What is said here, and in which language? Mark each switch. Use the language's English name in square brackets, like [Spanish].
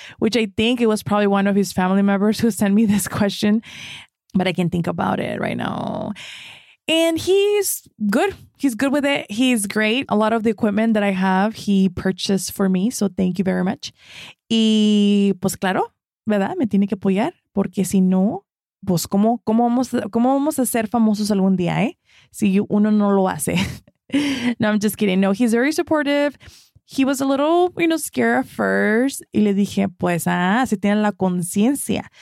[English] Which I think it was probably one of his family members who sent me this question. But I can think about it right now. And he's good. He's good with it. He's great. A lot of the equipment that I have, he purchased for me. So thank you very much. [Spanish] Y pues claro, ¿verdad? Me tiene que apoyar. Porque si no, pues ¿cómo vamos a ser famosos algún día, eh? Si uno no lo hace. [English] No, I'm just kidding. No, he's very supportive. He was a little, you know, scared at first. [Spanish] Y le dije, pues, si tiene la conciencia.